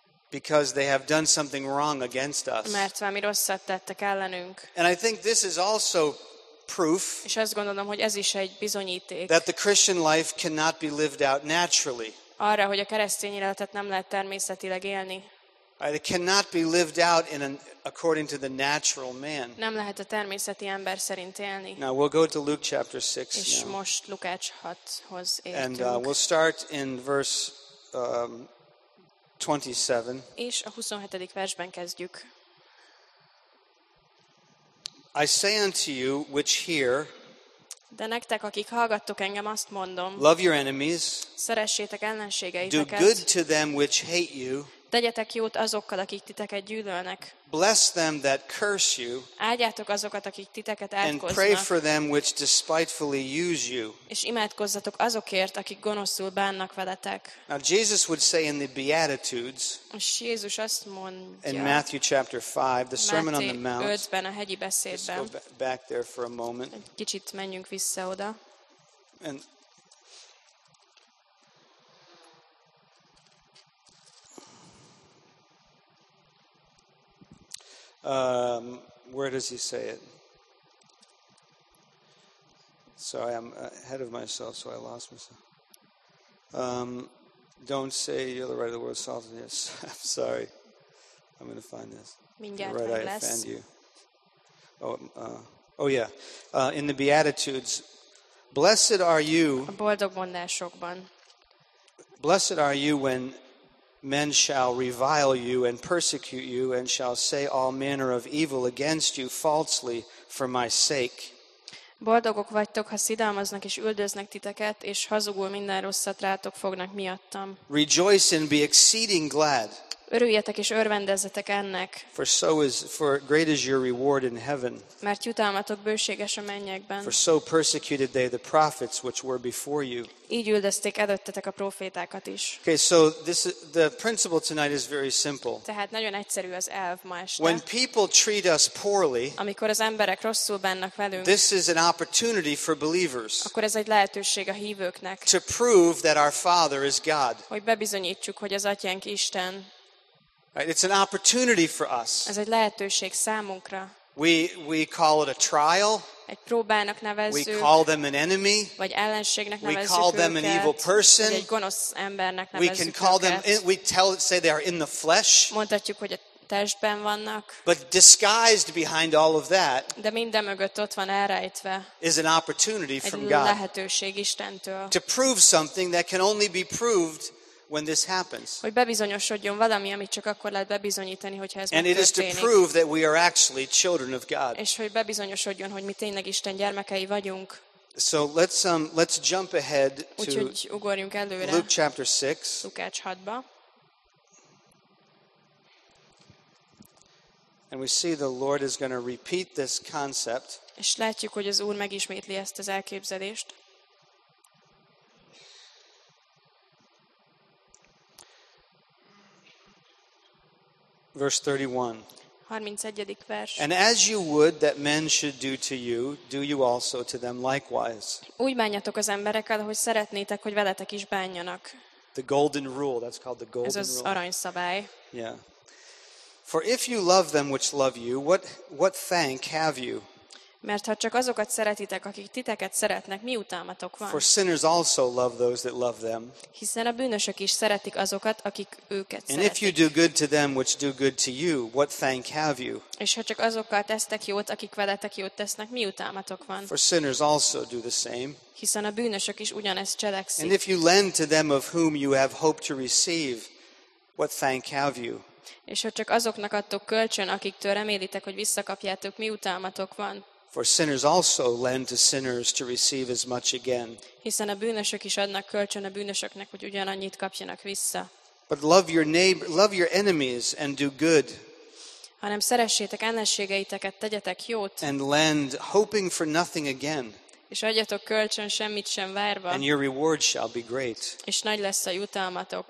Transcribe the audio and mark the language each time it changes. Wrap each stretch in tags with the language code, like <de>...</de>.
<en>Because they have done something wrong against us.</en> <hu>Mert valami rosszat tettek ellenünk.</hu> <en>And I think this is also proof.</en> <hu>És azt gondolom, hogy ez is egy bizonyíték.</hu> <en>That the Christian life cannot be lived out naturally.</en> <hu>Arra, hogy a keresztény életet nem lehet természetileg élni.</hu> <en>It cannot be lived out in an according to the natural man.</en> <hu>Nem lehet a természeti ember szerint élni.</hu> <en>Now we'll go to Luke chapter 6.</en> <hu>És</hu> <en>now.</en> <hu>Most Lukács 6-hoz értünk.</hu> <en>And we'll start in verse 27.</en> <hu>És a 27. versben kezdjük.</hu> <en>I say unto you which hear.</en> <hu>De nektek, akik hallgattok engem, azt mondom.</hu> <en>Love your enemies.</en> <hu>Szeressétek ellenségeiteket.</hu> <en>Do good to them which hate you.</en> <hu>Tegyetek jót azokkal, akik titeket gyűlölnek.</hu> <en>Bless them that curse you.</en> <hu>Áldjátok azokat, akik titeket átkoznak.</hu> <en>And pray for them which despitefully use you.</en> <hu>És imádkozzatok azokért, akik gonoszul bánnak veletek.</hu> <en>Now Jesus would say in the Beatitudes.</en> <hu>És Jézus azt mondja.</hu> <en>In Matthew chapter 5, the Sermon on the Mount.</en> <hu>Máté 5-ben a hegyi beszédben.</hu> <en>Let's go back there for a moment.</en> <hu>Egy kicsit menjünk vissza oda.</hu> <en>And where does he say it? Sorry, I'm ahead of myself, so I lost myself. Don't say you're the right of the world, salt and yes. I'm sorry. I'm going to find this.</en> <hu>Mindjárt</hu> <en>right,</en> <hu>meg</hu> <en>I</en> <hu>lesz.</hu> <en>Offend you. Oh yeah. In the Beatitudes, blessed are you.</en> <hu>A boldog mondásokban.</hu> <en>Blessed are you when men shall revile you and persecute you and shall say all manner of evil against you falsely for my sake.</en> <hu>Boldogok vagytok, ha szidalmaznak és üldöznek titeket, és hazugul minden rosszat rátok fognak miattam.</hu> <en>Rejoice and be exceeding glad.</en> <hu>Örüljetek és örvendezzetek ennek.</hu> <en>For great is your reward in heaven.</en> <hu>Mert jutalmatok bőséges a mennyekben.</hu> <en>For so persecuted they the prophets which were before you.</en> <hu>Így üldözték előttetek a prófétákat is.</hu> <en>Okay, so this is, the principle tonight is very simple.</en> <hu>Tehát nagyon egyszerű az elv ma este.</hu> <en>When people treat us poorly,</en> <hu>amikor az emberek rosszul bánnak velünk,</hu> <en>this is an opportunity for believers.</en> <hu>Akkor ez egy lehetőség a hívőknek.</hu> <en>To prove that our Father is God.</en> <hu>Hogy bebizonyítsuk, hogy az Atyánk Isten.</hu> <en>It's an opportunity for us.</en> <hu>Ez egy lehetőség számunkra.</hu> <en>We call it a trial.</en> <hu>Egy próbának nevezzük.</hu> <en>We call them an enemy.</en> <hu>Vagy ellenségnek nevezzük.</hu> <en>We call them an evil person.</en> <hu>Egy gonosz embernek nevezzük.</hu> <en>We can call them. We tell say they are in the flesh.</en> <hu>Mondhatjuk, hogy a testben vannak.</hu> <en>But disguised behind all of that.</en> <hu>De minden mögött ott van elrejtve.</hu> <en>Is an opportunity from God.</en> <hu>Egy lehetőség Istentől.</hu> <en>To prove something that can only be proved when this happens.</en> <hu>Hogy bebizonyosodjon valami, amit csak akkor lehet bebizonyítani, hogyha ez megtörténik.</hu> <en>And it is to prove that we are actually children of God.</en> <hu>És hogy bebizonyosodjon, hogy mi tényleg Isten gyermekei vagyunk.</hu> <en>So let's jump ahead to</en> <hu>úgyhogy ugorjunk előre.</hu> <en>Luke chapter 6.</en> <hu>Lukács 6-ba.</hu> <en>And we see the Lord is going to repeat this concept.</en> <hu>És látjuk, hogy az Úr megismétli ezt az elképzelést.</hu> <en>Verse 31.</en> <hu>31. vers.</hu> <en>And as you would that men should do to you, do you also to them likewise.</en> <hu>Úgy bánjatok az emberekkel, hogy szeretnétek, hogy veletek is bánjanak.</hu> <en>The golden rule, that's called the golden rule.</en> <hu>Ez az aranyszabály.</hu> <en>Yeah. For if you love them which love you, what thank have you?</en> <hu>Mert ha csak azokat szeretitek, akik titeket szeretnek, mi utalmatok van?</hu> <en>For sinners also love those that love them.</en> <hu>Hiszen a bűnösök is szeretik azokat, akik őket szeretik.</hu> <en>And if you do good to them which do good to you, what thank have you?</en> <hu>És ha csak azokkal tesztek jót, akik veletek jót tesznek, mi utalmatok van?</hu> <en>For sinners also do the same.</en> <hu>Hiszen a bűnösök is ugyanezt cselekszik.</hu> <en>And if you lend to them of whom you have hope to receive, what thank have you?</en> <hu>És ha csak azoknak adtok kölcsön, akiktől remélitek, hogy visszakapjátok, mi utalmatok van?</hu> <en>For sinners also lend to sinners to receive as much again.</en> <hu>Hiszen a bűnösök is adnak kölcsön a bűnösöknek, hogy ugyanannyit kapjanak vissza.</hu> <en>But love your neighbor, love your enemies and do good.</en> <hu>Hanem szeressétek ellenségeiteket, tegyetek jót.</hu> <en>And lend hoping for nothing again.</en> <hu>És adjatok kölcsön semmit sem várva.</hu> <en>And your reward shall be great.</en> <hu>És nagy lesz a jutalmatok.</hu>